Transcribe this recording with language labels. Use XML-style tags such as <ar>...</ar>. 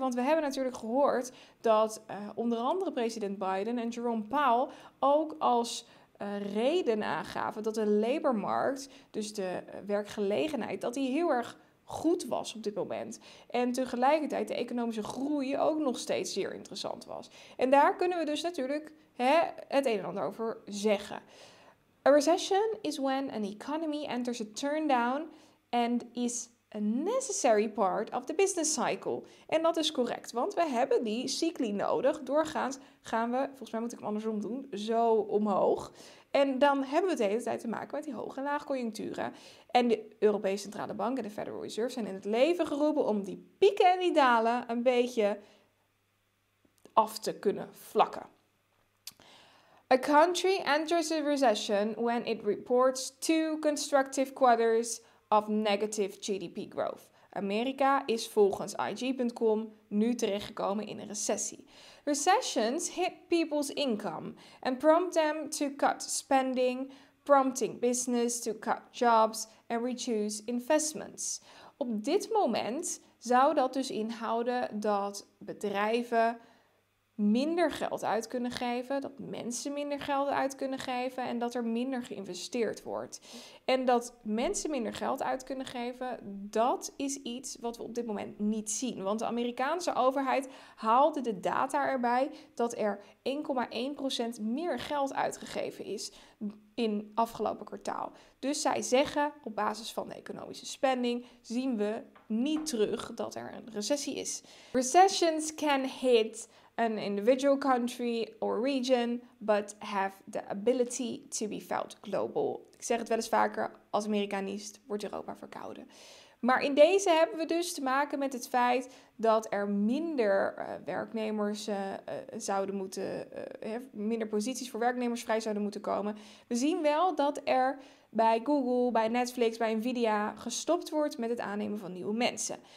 <nl>Want we hebben natuurlijk gehoord dat onder andere president Biden en Jerome Powell ook als reden aangaven dat de labormarkt, dus de werkgelegenheid, dat die heel erg goed was op dit moment en tegelijkertijd de economische groei ook nog steeds zeer interessant was. En daar kunnen we dus natuurlijk het een en ander over zeggen.</nl> <en>A recession is when an economy enters a turndown and is a necessary part of the business cycle.</en> <nl>En dat is correct, want we hebben die cycli nodig. Doorgaans gaan we, volgens mij moet ik hem andersom doen, zo omhoog. En dan hebben we de hele tijd te maken met die hoge en laagconjuncturen. En de Europese Centrale Bank en de Federal Reserve zijn in het leven geroepen om die pieken en die dalen een beetje af te kunnen vlakken.</nl> <en>A country enters a recession when it reports 2 constructive quarters of negative GDP growth.</en> <nl>Amerika is volgens IG.com nu terechtgekomen in een recessie.</nl> <en>Recessions hit people's income and prompt them to cut spending, prompting business to cut jobs and reduce investments.</en> <nl>Op dit moment zou dat dus inhouden dat bedrijven minder geld uit kunnen geven, dat mensen minder geld uit kunnen geven en dat er minder geïnvesteerd wordt. En dat mensen minder geld uit kunnen geven, dat is iets wat we op dit moment niet zien. Want de Amerikaanse overheid haalde de data erbij dat er 1,1% meer geld uitgegeven is in afgelopen kwartaal. Dus zij zeggen, op basis van de economische spending, zien we niet terug dat er een recessie is.</nl> <en>Recessions can hit an individual country or region, but have the ability to be felt global.</en> <nl>Ik zeg het wel eens vaker, als Amerikanist wordt Europa verkouden. Maar in deze hebben we dus te maken met het feit dat er minder werknemers zouden moeten, minder posities voor werknemers vrij zouden moeten komen. We zien wel dat er bij Google, bij Netflix, bij Nvidia gestopt wordt met het aannemen van nieuwe mensen.</nl>